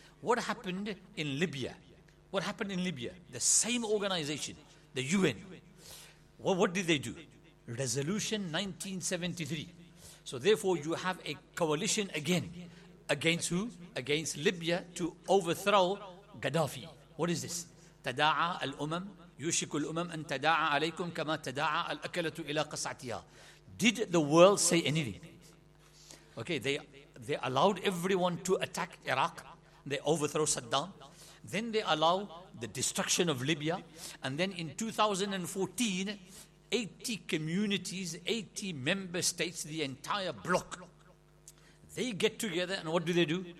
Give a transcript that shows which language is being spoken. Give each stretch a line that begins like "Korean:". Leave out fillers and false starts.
English: What happened in Libya? What happened in Libya? The same organization, the UN. What did they do? Resolution 1973. So therefore, you have a coalition again. Against who? Against Libya to overthrow Gaddafi. What is this?
Arabic: Tada'a al-umam يوشك الأمم أن تداعى عليكم كما تداعى الأكلة إلى قصعتها.
English: Did the world say anything? Okay, they allowed everyone to attack Iraq. They overthrow Saddam. Then they allow the destruction of Libya. And then in 2014, 80 communities, 80 member states, the entire bloc, they get together and what do?